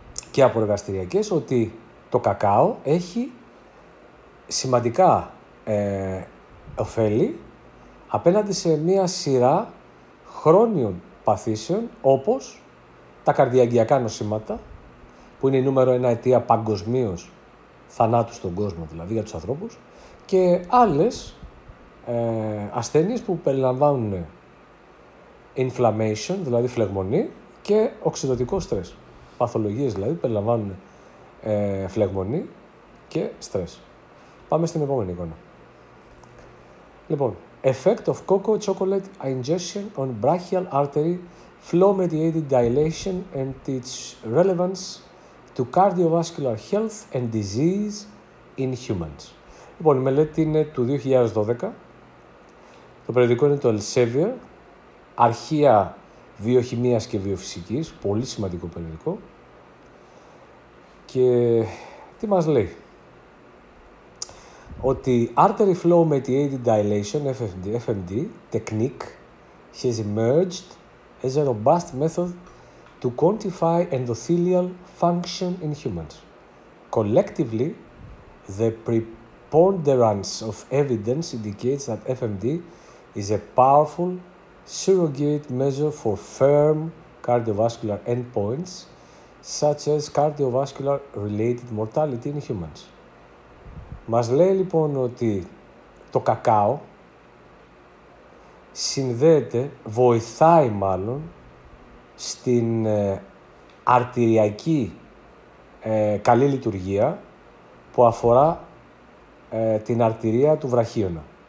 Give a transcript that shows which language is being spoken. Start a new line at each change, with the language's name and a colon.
Greek: και από εργαστηριακές, ότι το κακάο έχει σημαντικά ωφέλη απέναντι σε μία σειρά χρόνιων παθήσεων, όπως τα καρδιαγγειακά νοσήματα, που είναι η νούμερο ένα αιτία παγκοσμίως θανάτου στον κόσμο, δηλαδή για τους ανθρώπους, και άλλες ασθένειες που περιλαμβάνουν inflammation, δηλαδή φλεγμονή, και οξυδοτικό στρες. Παθολογίες δηλαδή περιλαμβάνουν φλεγμονή και στρες. Πάμε στην επόμενη εικόνα.
English: Λοιπόν, effect of cocoa chocolate ingestion on brachial artery flow mediated dilation and its relevance to cardiovascular health and disease in humans.
Greek: Λοιπόν, η μελέτη είναι του 2012. Το περιοδικό είναι το Elsevier, αρχεία βιοχημίας και βιοφυσικής, πολύ σημαντικό περιοδικό. Και τι μας λέει? Ότι
English: artery flow mediated dilation, FMD, technique has emerged as a robust method to quantify endothelial function in humans. Collectively, the preponderance of evidence indicates that FMD is a powerful surrogate measure for firm cardiovascular endpoints such as cardiovascular related mortality in humans.
Greek: Μας λέει λοιπόν ότι το κακάο συνδέεται, βοηθάει μάλλον, στην αρτηριακή καλή λειτουργία που αφορά την αρτηρία του βραχίωνα.